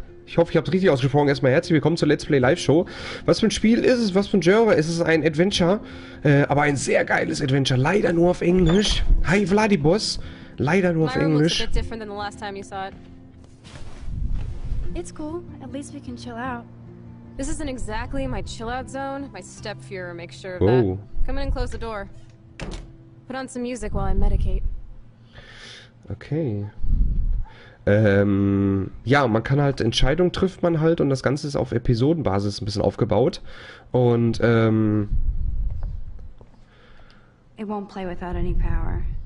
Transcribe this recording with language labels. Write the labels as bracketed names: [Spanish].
[German] Ich hoffe, ich habe es richtig ausgesprochen. Erstmal herzlich willkommen zur Let's Play Live Show. Was für ein Spiel ist es? Was für ein Genre? Es ist ein Adventure, aber ein sehr geiles Adventure. Leider nur auf Englisch. Hi, Vladibus. Leider nur auf Englisch. [English] Looks a bit different than the last time you saw it. It's cool. At least we can chill out. This isn't exactly my chill-out zone. My step-führer makes sure of that. Come in and close the door. Put on some music while I medicate. Okay. [German] Ja, man kann halt, Entscheidungen trifft man halt und das Ganze ist auf Episodenbasis ein bisschen aufgebaut. Und, [English] It won't play without any power.